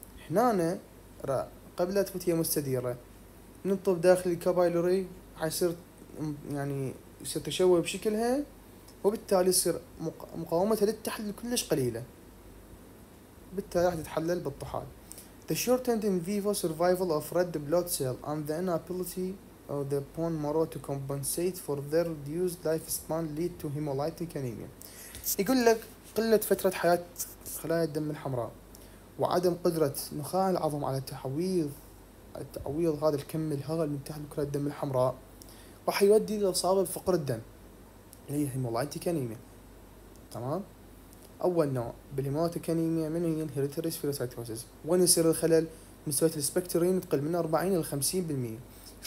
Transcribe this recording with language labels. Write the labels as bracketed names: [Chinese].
[Arabic] هنا قبل تفوت هي مستديرة نطب داخل الكابيلوري حيصير يعني يصير تشوه بشكلها، وبالتالي يصير مقاومتها للتحلل كلش قليلة، بالتالي راح تتحلل بالطحال. [English] The shortened in vivo survival of red blood cell and the inability of the bone marrow to compensate for their reduced lifespan lead to hemolytic anemia. [Arabic] يقول لك قلة فترة حياة خلايا الدم الحمراء وعدم قدرة نخاع العظم على تعويض هذا الكم الهائل من تحت كرة الدم الحمراء راح يؤدي لإصابة بفقر الدم اللي هي هيمولايتيك أنيميا. تمام، أول نوع بالهيمولايتيك أنيميا من هي الهيريديتري سفيروسايتوسيس، وين يصير الخلل؟ مستوى السبكترين تقل من 40-50%.